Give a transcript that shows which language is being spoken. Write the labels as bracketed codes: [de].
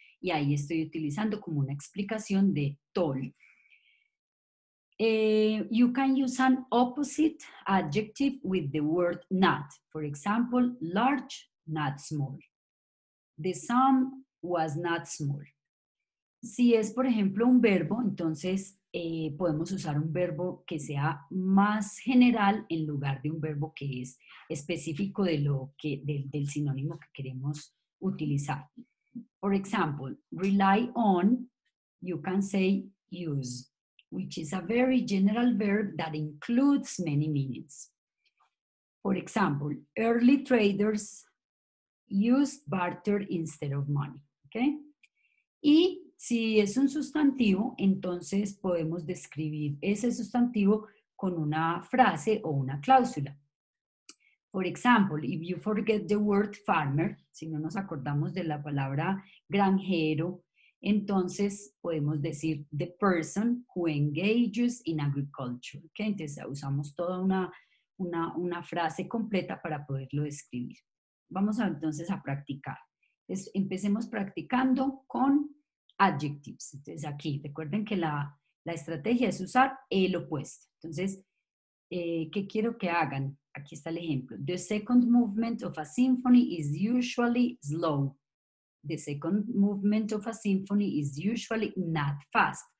[es] Y ahí estoy utilizando como una explicación de tall. [en] You can use an opposite adjective with the word not. For example, large, not small. The sum was not small. [es] Si es, por ejemplo, un verbo, entonces podemos usar un verbo que sea más general en lugar de un verbo que es específico de del sinónimo que queremos utilizar. [en] For example, rely on, you can say use, which is a very general verb that includes many meanings. For example, early traders used barter instead of money. Okay? [es] Y si es un sustantivo, entonces podemos describir ese sustantivo con una frase o una cláusula. [en] For example, if you forget the word farmer, [es] si no nos acordamos de la palabra granjero, entonces podemos decir [en] the person who engages in agriculture. ¿Okay? [es] Entonces usamos toda una frase completa para poderlo describir. Vamos entonces a practicar. Empecemos practicando con adjectives. Entonces aquí, recuerden que la estrategia es usar el opuesto. Entonces, ¿qué quiero que hagan? Aquí está el ejemplo. [en] The second movement of a symphony is usually slow. The second movement of a symphony is usually not fast.